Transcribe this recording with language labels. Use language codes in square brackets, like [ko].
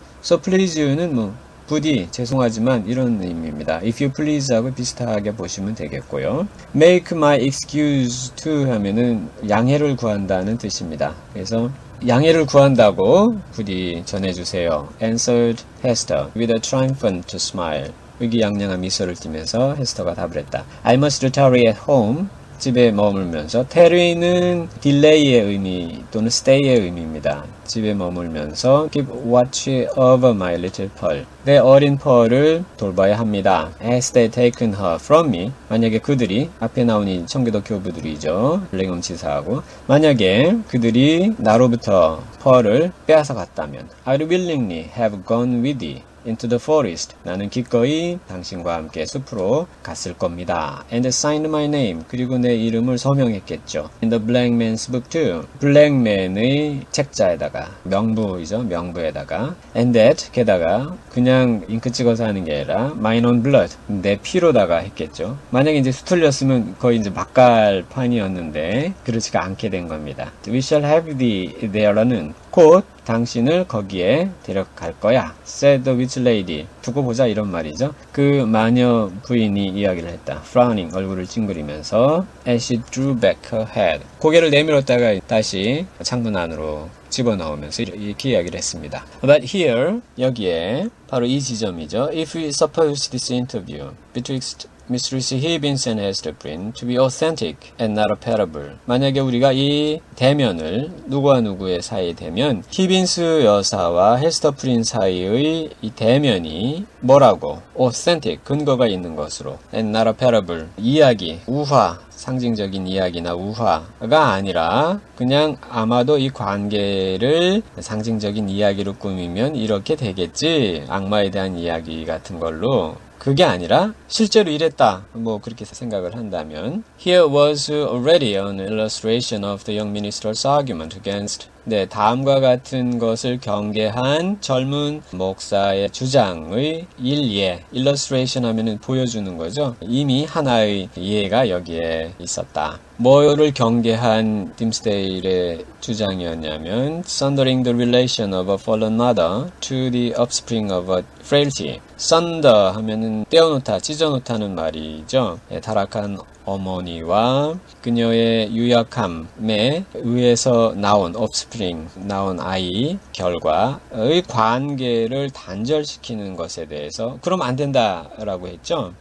[en] So please you [ko] 는 뭐 부디 죄송하지만 이런 의미입니다. [en] If you please [ko] 하고 비슷하게 보시면 되겠고요. [en] Make my excuse to [ko] 하면은 양해를 구한다는 뜻입니다. 그래서 양해를 구한다고 부디 전해주세요. [en] Answered Hester with a triumphant smile. [ko] 의기양양한 미소를 띠면서 헤스터가 답을 했다. [en] I must tarry at home. [ko] 집에 머물면서 tarry는 delay의 의미 또는 stay의 의미입니다. 집에 머물면서 [en] keep watch over my little pearl. [ko] 내 어린 펄을 돌봐야 합니다. [en] As they taken her from me. [ko] 만약에 그들이 앞에 나온 이 청교도 교부들이죠. 블랙엄 치사하고 만약에 그들이 나로부터 펄을 빼앗아 갔다면 [en] I'd willingly have gone with thee. Into the forest. [ko] 나는 기꺼이 당신과 함께 숲으로 갔을 겁니다. [en] And signed my name. [ko] 그리고 내 이름을 서명했겠죠. [en] In the black man's book too. [ko] 블랙맨의 책자에다가 명부이죠. 명부에다가 [en] And that. [ko] 게다가 그냥 잉크 찍어서 하는 게 아니라 [en] mine own blood. [ko] 내 피로다가 했겠죠. 만약에 이제 수틀렸으면 거의 이제 막갈판이었는데 그렇지가 않게 된 겁니다. [en] We shall have thee there [ko] 라는 곧 당신을 거기에 데려갈 거야. [en] Said the witch lady. [ko] 두고 보자 이런 말이죠. 그 마녀 부인이 이야기를 했다. [en] Frowning [ko] 얼굴을 찡그리면서 [en] As she drew back her head. [ko] 고개를 내밀었다가 다시 창문 안으로 집어넣으면서 이렇게 이야기를 했습니다. [en] But here [ko] 여기에 바로 이 지점이죠. [en] If we suppose this interview betwixt Mistress Hibbins and Hester Prynne to be authentic and not a parable. [ko] 만약에 우리가 이 대면을 누구와 누구의 사이 대면, 히빈스 여사와 헤스터 프린 사이의 이 대면이 뭐라고? authentic 근거가 있는 것으로 [en] and not a parable [ko] 이야기 우화 상징적인 이야기나 우화가 아니라 그냥 아마도 이 관계를 상징적인 이야기로 꾸미면 이렇게 되겠지. 악마에 대한 이야기 같은 걸로. 그게 아니라 실제로 이랬다. 뭐 그렇게 생각을 한다면 [en] Here was already an illustration of the young minister's argument against [ko] 네, 다음과 같은 것을 경계한 젊은 목사의 주장의 일례. illustration 하면은 보여주는 거죠. 이미 하나의 예가 여기에 있었다. 뭐를 경계한 딤스데일의 주장이었냐면 [en] sundering the relation of a fallen mother to the offspring of a frailty. [ko] sunder 하면은 떼어놓다, 찢어놓다는 말이죠. 네, 타락한 어머니와 그녀의 유약함에 의해서 나온 offspring, 나온 아이 결과의 관계를 단절시키는 것에 대해서 그럼 안 된다라고 했죠.